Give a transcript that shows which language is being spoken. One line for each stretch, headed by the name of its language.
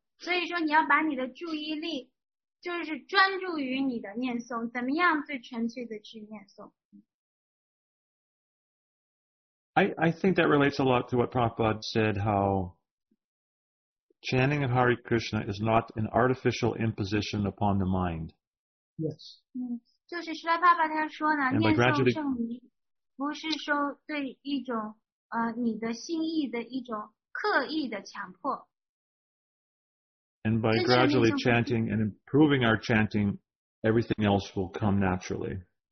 English: I think that relates a lot to what Prabhupada said, how chanting of Hare Krishna is not an artificial imposition upon the mind. Yes.
Chinese: 就是师父他说呢，念诵圣名不是说对一种你的心意的一种刻意的强迫。
English: And by gradually chanting and improving our chanting, everything else will come naturally.